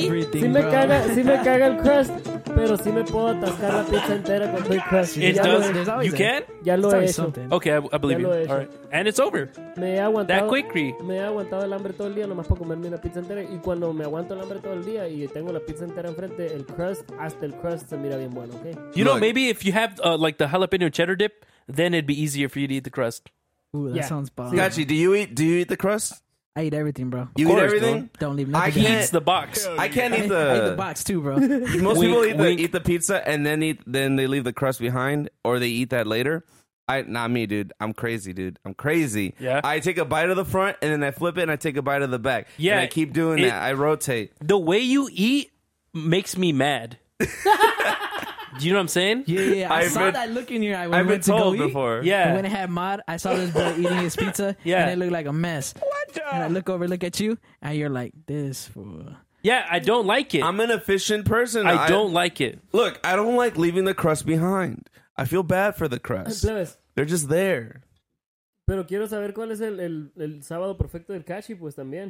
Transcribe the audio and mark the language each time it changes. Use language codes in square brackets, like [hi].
[es] Si me caga, si me caga el crust, pero si me puedo atascar la pizza entera con el crust. [en] It does. You can? [es] Ya lo he hecho. [en] Okay, I believe you. All right. And it's over. [es] Me he aguantado. [en] That quickly. [es] Me he aguantado el hambre todo el día, nomás para comerme una pizza entera. Y cuando me aguanto el hambre todo el día y tengo la pizza entera enfrente, el crust, hasta el crust se mira bien bueno, okay? [en] You know, maybe if you have like the jalapeno cheddar dip, then it'd be easier for you to eat the crust. Ooh, that sounds bomb. Gachi, do you eat the crust? I eat everything, bro. You eat everything? Don't leave nothing. He eats the box. I can't eat the... I eat the box too, bro. Most people eat the pizza and then they leave the crust behind, or they eat that later. Not me, dude. I'm crazy, dude. I'm crazy. Yeah. I take a bite of the front and then I flip it and I take a bite of the back. Yeah. And I keep doing that. I rotate. The way you eat makes me mad. Do you know what I'm saying? Yeah. I saw that look in your eye when I've been went to told go before. Eat. Yeah. When I had Mod, I saw this boy eating his pizza. Yeah. And it looked like a mess. What the? And I look over, look at you, and you're like, this fool. Yeah, I don't like it. I'm an efficient person. I don't like it. Look, I don't like leaving the crust behind. I feel bad for the crust. They're just there. [es] Pero quiero saber cuál es el sábado perfecto del Cachi, pues también.